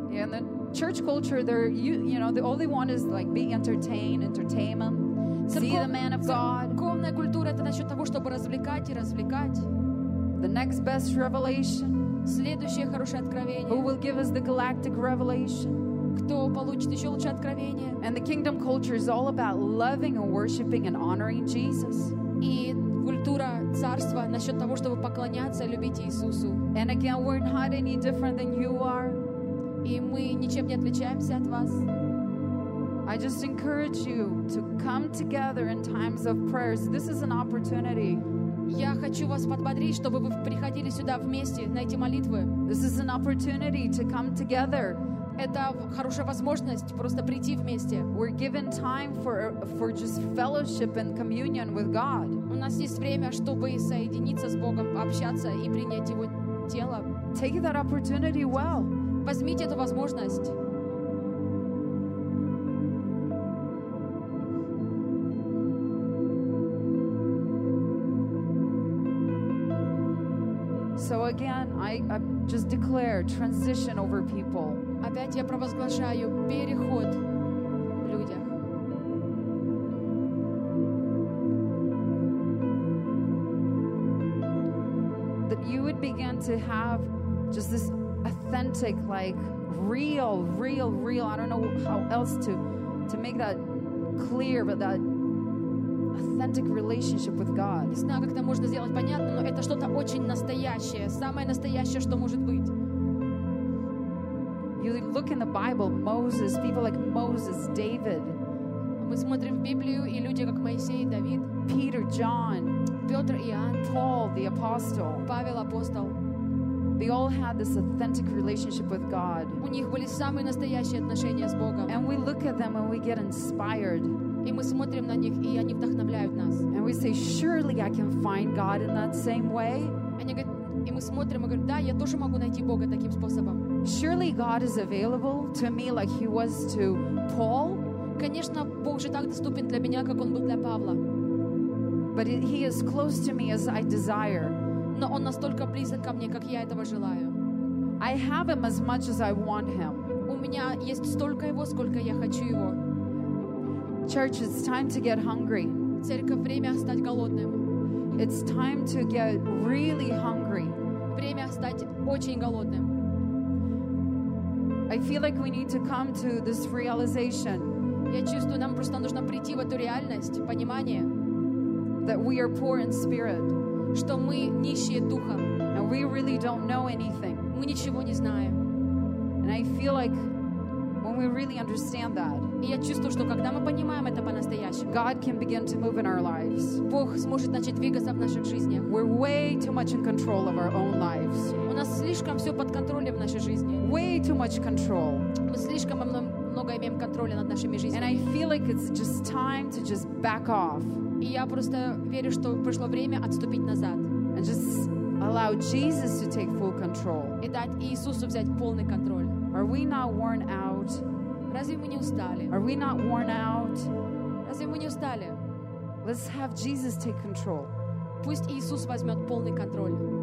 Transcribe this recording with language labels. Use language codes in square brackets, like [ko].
[en] Yeah, and the church culture, they're you know, all they want is like be entertainment. See the man of God. [ru] Церковная культура — это насчет того, чтобы развлекать и развлекать. [en] The next best revelation. [ru] Следующее хорошее откровение. [en] Who will give us the galactic revelation? [ru] Кто получит еще лучшее откровение? [en] And the kingdom culture is all about loving and worshiping and honoring Jesus. [ru] И культура царства насчет того, чтобы поклоняться и любить Иисусу. [en] And again, we're not any different than you are. [ru] И мы ничем не отличаемся от вас. [en] I just encourage you to come together in times of prayers. This is an opportunity. [ru] Я хочу вас подбодрить, чтобы вы приходили сюда вместе на эти молитвы. [en] This is an opportunity to come together. [ru] Это хорошая возможность просто прийти вместе. [en] We're given time for just fellowship and communion with God. [ru] У нас есть время, чтобы соединиться с Богом, пообщаться и принять Его тело. [en] Take that opportunity well. [ru] Возьмите эту возможность. [en] So again, I just declare transition over people. [ru] Опять я провозглашаю переход в людях. [en] That you would begin to have just this authentic, like real. I don't know how else to make that clear, but that authentic relationship with God. [ru] Не знаю, как это можно сделать понятно, но это что-то очень настоящее, самое настоящее, что может быть. [en] You look in the Bible, Moses, people like Moses, David. [ru] Мы смотрим в Библию и люди как Моисей, Давид. [en] Peter, John. [ru] Петр, Иоанн. [en] Paul, the apostle. [ru] Павел, апостол. [en] They all had this authentic relationship with God. [ru] У них были самые настоящие отношения с Богом. [en] And we look at them and we get inspired. [ru] И мы смотрим на них, и они вдохновляют нас. [en] And we say, surely I can find God in that same way. [ru] И мы смотрим и говорим, да, я тоже могу найти Бога таким способом. [en] Surely God is available to me like He was to Paul. [ru] Конечно, Бог же так доступен для меня, как Он был для Павла. [en] But He is close to me as I desire. [ru] Но Он настолько близок ко мне, как я этого желаю. [en] I have Him as much as I want Him. [ru] У меня есть столько Его, сколько я хочу Его. [en] Church, it's time to get hungry. [ru] Церковь, время стать голодным. [en] It's time to get really hungry. [ru] Время стать очень голодным. [en] I feel like we need to come to this realization. [ru] Я чувствую, нам просто нужно прийти в эту реальность, понимание. [en] That we are poor in spirit. [ru] Что мы нищие духом. [en] And we really don't know anything. [ru] Мы ничего не знаем. [en] And I feel like when we really understand that, [ru] и я чувствую, что когда мы понимаем это по-настоящему, [en] God can begin to move in our lives. [ru] Бог сможет начать двигаться в наших жизнях. [en] We're way too much in control of our own lives. [ru] У нас слишком все под контролем в нашей жизни. [en] Way too much control. [ru] Мы слишком много имеем контроля над нашими жизнями. [en] And I feel like it's just time to just back off. [ru] И я просто верю, что пришло время отступить назад. [en] And just allow Jesus to take full control. [ru] И дать Иисусу взять полный контроль. [en] Are we not worn out? [ru] Разве мы не устали? [en] Are we not worn out? [ru] Разве мы не устали? [en] Let's have Jesus take control. [ru] Пусть Иисус возьмет полный контроль.